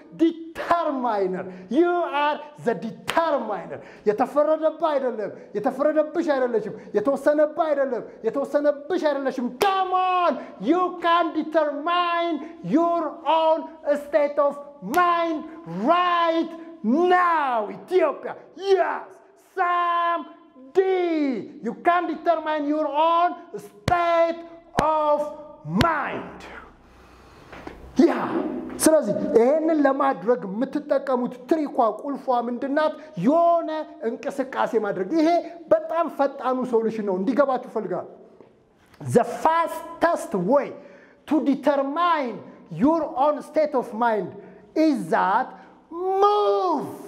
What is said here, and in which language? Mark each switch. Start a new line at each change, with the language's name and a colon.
Amharic: ዲተርማይነር።
English: ዩ አር ዘ ዲተርማይነር።
Amharic: የተፈረደብህ አይደለም፣ የተፈረደብሽ አይደለሽም፣ የተወሰነብህ አይደለም፣ የተወሰነብሽ አይደለሽም። ከመሆን
English: ዩ ካን ዲተርማይን ዩር ኦን ስቴት ኦፍ ማይንድ ራይት ናው
Amharic: ኢትዮጵያ። የስ ሳም ዲ
English: you can determine your own state of mind. Yeah.
Amharic: ስለዚህ ይሄንን ለማድረግ የምትጠቀሙት ትሪኳ ቁልፏ ምንድናት? የሆነ እንቅስቃሴ ማድረግ። ይሄ በጣም ፈጣኑ ሶሉሽን ነው እንዲገባችሁ ፈልጋለሁ።
English: The fastest way to determine your own state of mind is that move.